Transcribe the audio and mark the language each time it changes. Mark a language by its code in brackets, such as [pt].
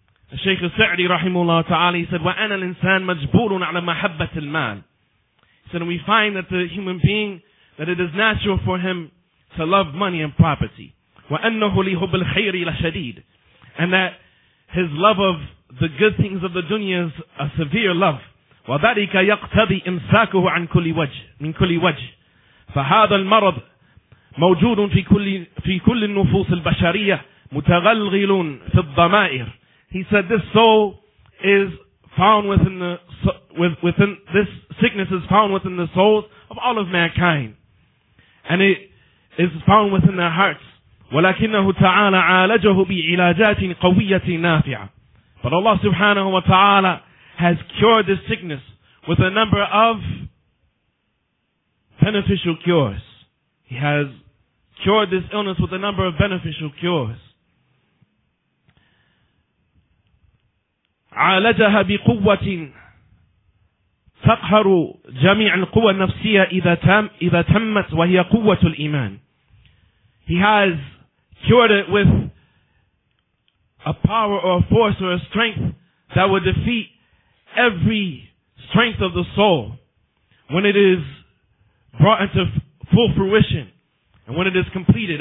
[en] The Shaykh al-Sa'di rahimullah ta'ala, he said, [ar] وَأَنَا الْإِنسَانُ مَجْبُورٌ عَلَى مَحَبَّةِ الْمَالِ. [en] He said, and we find that the human being, that it is natural for him to love money and property. [ar] وَأَنَّهُ لِهُبِ الْخَيْرِ لَشَدِيدٌ. [en] And that his love of the good things of the dunya is a severe love. [ar] وَذَلِكَ يَقْتَضِي إِمْسَاكُهُ عَنْ كُلِّ وَجْهٍ مِنْ كُلِّ وَجْهٍ فَهَذَا الْمَرَضُ مَوْجُودٌ فِي كُلِّ النُّفُوسِ الْبَشَرِيَّةِ مُتَغَلْغِلٌ فِي الضَّمَائِرِ. [en] He said, this soul is found within the within this sickness is found within the souls of all of mankind, and it is found within their hearts. [ar] ولكنه تعالى عالجه بعلاجات قوية نافعة. [en] But Allah subhanahu wa ta'ala has cured this sickness with a number of beneficial cures. He has cured this illness with a number of beneficial cures. [ar] عالجها بقوة تقهر جميع القوى النفسية إذا تمت وهي قوة الإيمان. [en] He has cured it with a power or a force or a strength that would defeat every strength of the soul when it is brought into full fruition and when it is completed.